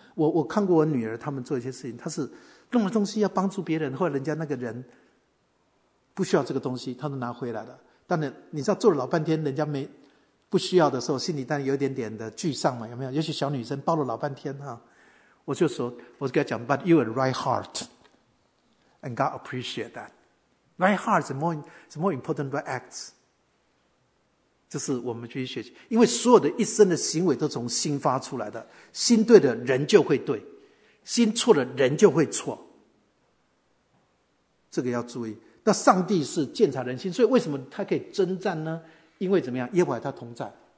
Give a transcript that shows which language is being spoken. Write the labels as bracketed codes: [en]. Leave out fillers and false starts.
[zh] 我看过我女儿他们做一些事情，她是弄了东西要帮助别人，或者人家那个人不需要这个东西，他都拿回来了。当然你知道做了老半天人家没不需要的时候，心里当然有点点的沮丧嘛，有没有？尤其小女生包了老半天啊。我就说，我就跟她讲 [en] But you are right heart and God appreciate that. Right heart is more important than acts. [zh] 这是我们去学习，因为所有的一生的行为都从心发出来的，心对的人就会对，心错的人就会错，这个要注意。那上帝是鉴察人心，所以为什么他可以征战呢？因为怎么样？耶和华他同在。